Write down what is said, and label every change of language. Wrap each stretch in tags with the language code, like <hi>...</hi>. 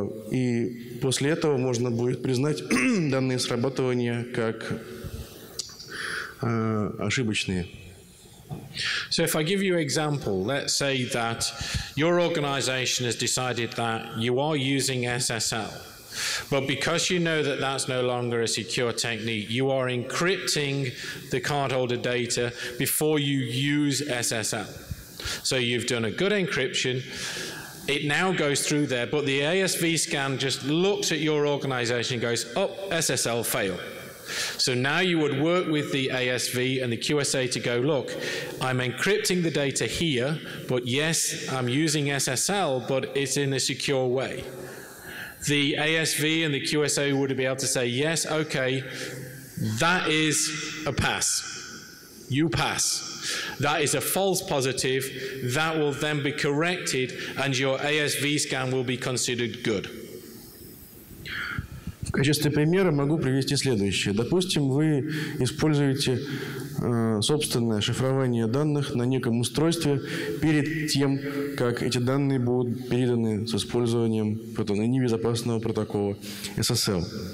<ru>И после этого можно будет признать данные срабатывания как ошибочные.</ru> <en>So if I give you an example, let's say that your organization has decided that you are using SSL. But because you know that that's no longer a secure technique, you are encrypting the cardholder data before you use SSL. So you've done a good encryption. It now goes through there, but the ASV scan just looks at your organization and goes, oh, SSL fail. So now you would work with the ASV and the QSA to go, look, I'm encrypting the data here, but yes, I'm using SSL, but it's in a secure way. The ASV and the QSA would be able to say, yes, okay, that is a pass. You pass. That is a false positive. That will then be corrected, and your ASV scan will be considered good.</en> <ru>В качестве примера могу привести следующее. Допустим, вы используете собственное шифрование данных на неком устройстве перед тем, как эти данные будут переданы с использованием небезопасного протокола SSL.</ru>